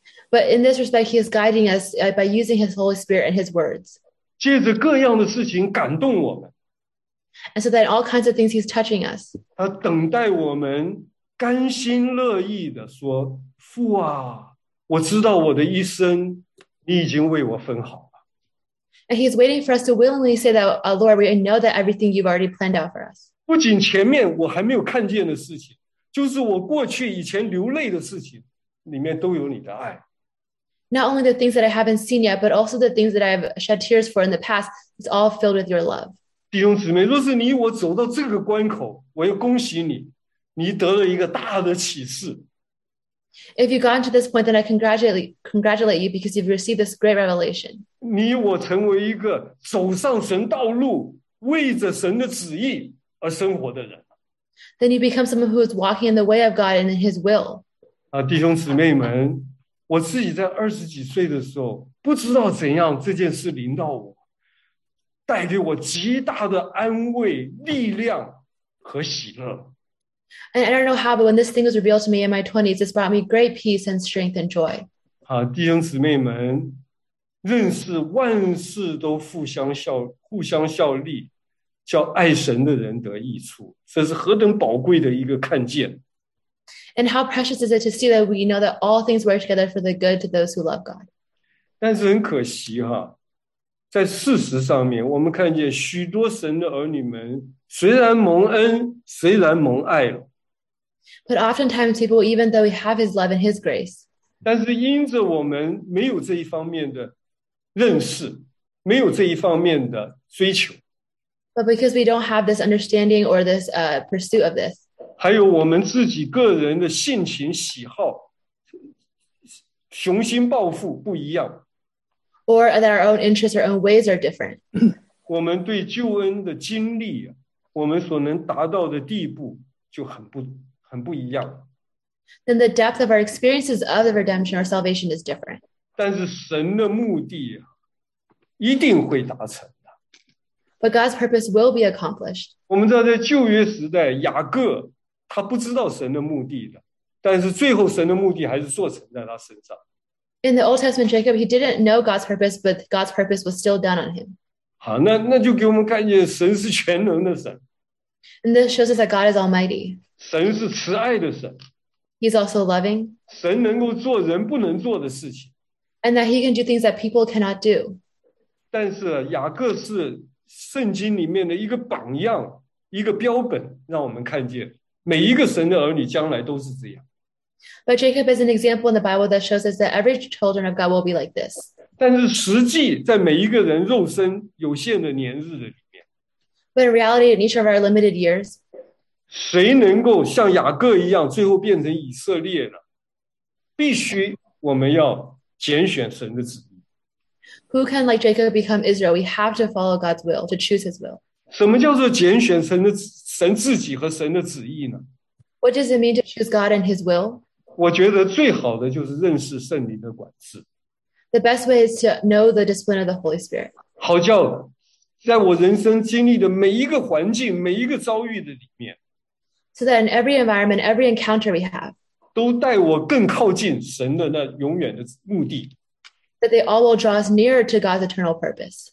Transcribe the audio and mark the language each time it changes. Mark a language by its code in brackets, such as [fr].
[en] But in this respect, he is guiding us by using his Holy Spirit and his words. [zh] 借着各样的事情感动我们。 [en] And so that all kinds of things he's touching us. [zh] 他等待我们甘心乐意地说，父啊，我知道我的一生。你已经为我分好了。 [en] And he's waiting for us to willingly say that, Lord, we know that everything you've already planned out for us. [zh] 不仅前面我还没有看见的事情，就是我过去以前流泪的事情，里面都有你的爱。 [en] Not only the things that I haven't seen yet, but also the things that I've shed tears for in the past, it's all filled with your love. [zh] 弟兄姊妹，若是你我走到这个关口，我要恭喜你，你得了一个大的启示。 [en] If you've gotten to this point, then I congratulate you because you've received this great revelation. [zh] 你我成为一个走上神道路，为着神的旨意而生活的人。 [en] Then you become someone who is walking in the way of God and in His will. [zh] 啊，弟兄姊妹们，我自己在二十几岁的时候，不知道怎样这件事临到我，带给我极大的安慰、力量和喜乐。 [en] And I don't know how, but when this thing was revealed to me in my 20s, this brought me great peace and strength and joy. [zh] 啊，弟兄姊妹们，认识万事都互相效力，叫爱神的人得益处，这是何等宝贵的一个看见。 [en] And how precious is it to see that we know that all things work together for the good to those who love God. [zh] 但是很可惜哈，在事实上面，我们看见许多神的儿女们虽然蒙恩，虽然蒙爱了。 [en] But oftentimes people, even though we have His love and His grace, [zh] 但是因着我们没有这一方面的认识，没有这一方面的追求。 [en] But because we don't have this understanding or this pursuit of this, [zh] 还有我们自己个人的性情喜好，雄心抱负不一样。 [en] Or that our own interests or own ways are different. [zh] 我们对救恩的经历，我们所能达到的地步就很不一样。 [en] Then the depth of our experiences of the redemption or salvation is different. [zh] 但是神的目的一定会达成的。 [en] But God's purpose will be accomplished. [zh] 我们知道在旧约时代，雅各他不知道神的目的的，但是最后神的目的还是做成在他身上。 [en] In the Old Testament, Jacob, he didn't know God's purpose, but God's purpose was still done on him. [zh] 好，那就给我们看见神是全能的神。 [en] And this shows us that God is almighty. [zh] 神是慈爱的神。 [en] He's also loving. [zh] 神能够做人不能做的事情。 [en] And that he can do things that people cannot do. [zh] 但是雅各是圣经里面的一个榜样，一个标本，让我们看见每一个神的儿女将来都是这样。 [en] But Jacob is an example in the Bible that shows us that every children of God will be like this. [zh] 但是实际在每一个人肉身有限的年日里面。 [en] But in reality, in each of our limited years, [zh] 谁能够像雅各一样最后变成以色列呢？必须我们要拣选神的旨意。 [en] Who can like Jacob become Israel? We have to follow God's will, to choose His will. [zh] 什么叫做拣选神自己和神的旨意呢？ [en] What does it mean to choose God and His will? [zh] 我觉得最好的就是认识圣灵的管制。 [en] The best way is to know the discipline of the Holy Spirit. [zh] 好叫在我人生经历的每一个环境，每一个遭遇的里面。 [en] So that in every environment, every encounter we have. [zh] 都带我更靠近神的那永远的目的。 [en] That they all will draw us nearer to God's eternal purpose.